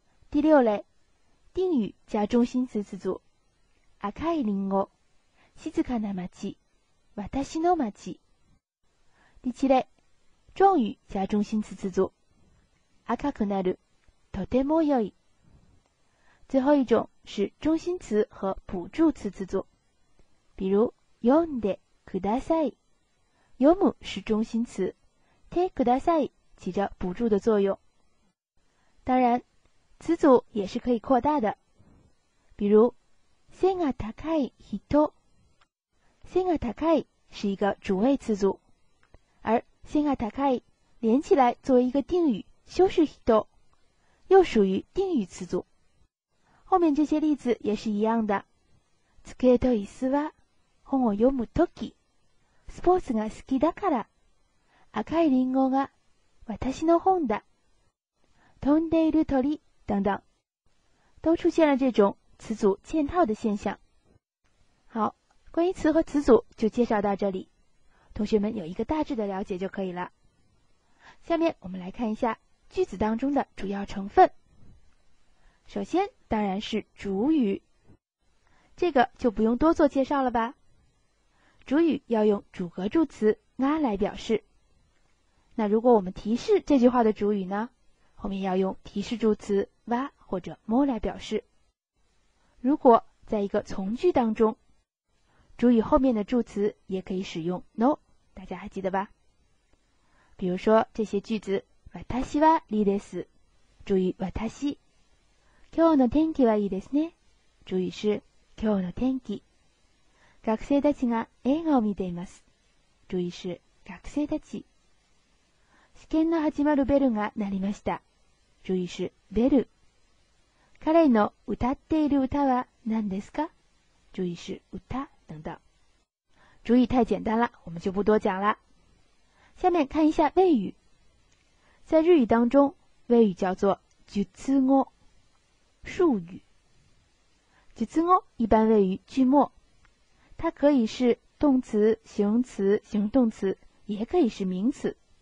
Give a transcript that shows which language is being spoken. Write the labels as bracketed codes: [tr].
[zh] 第六类定语加中心词词组，赤いリンゴ，静かな街，私の街。第七类状语加中心词词组，赤くなる，とても良い。最后一种是中心词和补助词词组，比如読んでください，読む是中心词，てください起着补助的作用。当然词组也是可以扩大的，比如 [ja] 背が高い人， [zh] 背が高い是一个主谓词组，而背が高い连起来作为一个定语修饰人，又属于定语词组。后面这些例子也是一样的， [ja] 机と椅子は本を読むとき、スポーツが好きだから、赤いリンゴが私の本だ、飛んでいる鳥 [zh] 等等，都出现了这种词组嵌套的现象。好，关于词和词组就介绍到这里，同学们有一个大致的了解就可以了。下面我们来看一下句子当中的主要成分。首先当然是主语，这个就不用多做介绍了吧。主语要用主格助词が来表示。那如果我们提示这句话的主语呢，后面要用提示助词は或者も来表示。如果在一个从句当中，主语后面的助词也可以使用 no， 大家还记得吧？比如说这些句子， [ja] 私はいいです。 [zh] 注意私。 [ja] 今日の天気はいいですね。 [zh] 注意是今日の天気。 [ja] 学生たちが映画を見ています。 [zh] 注意是学生たち。 [ja] 試験の始まるベルが鳴りました。 [zh] 注意是ベル。 [ja] 彼の歌っている歌は何ですか？ [zh] 注意是歌等等。注意太简单了，我们就不多讲了。下面看一下谓语。在日语当中，谓语叫做句词語，术语。句词語一般位于句末，它可以是动词、形容词、形容动词，也可以是名词。